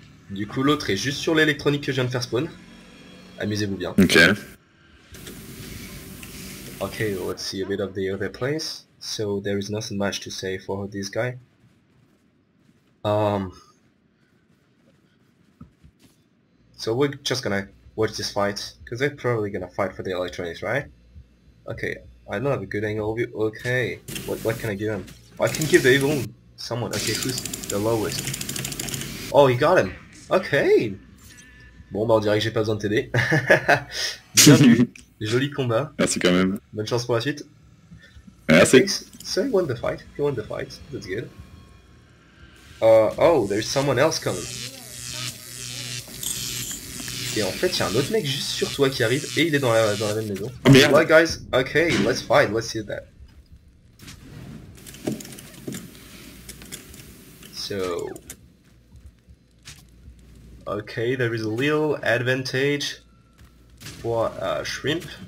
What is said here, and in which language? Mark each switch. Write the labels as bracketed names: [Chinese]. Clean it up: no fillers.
[French] Du coup, l'autre est juste sur l'électronique que je viens de faire spawn. Amusez-vous bien. Ok. [English] Ok, let's see a bit of the other place. So, there is nothing much to say for this guy. So, we're just gonna watch this fight. Because they're probably gonna fight for the electronics, right? Ok, I don't have a good angle of you. Ok, what can I give him? Oh, I can give the evil someone. Ok, who's the lowest? Oh, he got him! Ok. [French] Bon bah on dirait que j'ai pas besoin de t'aider. Bienvenue. Joli combat. Merci quand même. Bonne chance pour la suite. Merci. [English] So he won the fight. He won the fight. That's good. Oh, there's someone else coming. [French] Et en fait y'a un autre mec juste sur toi qui arrive et il est dans la même maison. Oh merde. [English] Alright guys, ok, let's fight, let's see that. So... Okay, there is a little advantage for Shrimp.